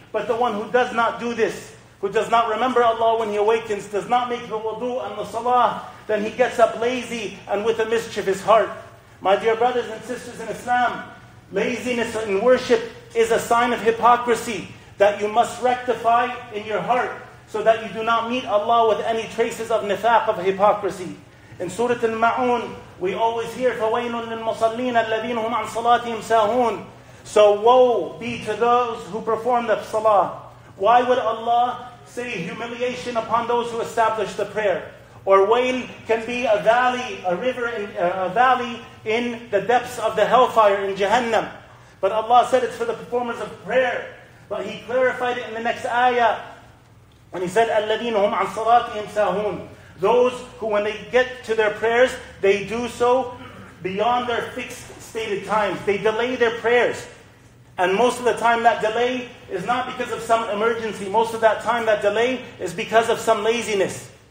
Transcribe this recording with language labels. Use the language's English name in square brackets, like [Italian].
[English] But the one who does not do this, who does not remember Allah when he awakens, does not make the wudu and the salah, then he gets up lazy and with a mischievous heart. My dear brothers and sisters in Islam, laziness in worship is a sign of hypocrisy that you must rectify in your heart so that you do not meet Allah with any traces of nifaq, of hypocrisy. In Surah Al-Ma'un, we always hear, [Arabic] فَوَيْلٌ لِلْمُصَلِّينَ الَّذِينَ هُمْ عَنْ صَلَاتِهِمْ سَاهُونَ. [English] So woe be to those who perform the salah. Why would Allah say humiliation upon those who establish the prayer? Or wail can be a valley, a river, a valley in the depths of the hellfire in Jahannam. But Allah said it's for the performers of prayer. But He clarified it in the next ayah. When He said, [Arabic] الَّذِينَ هُمْ عَنْ صَلَاتِهِمْ سَاهُونَ. [English] Those who, when they get to their prayers, they do so beyond their fixed stated times. They delay their prayers. And most of the time that delay is not because of some emergency. Most of that time that delay is because of some laziness.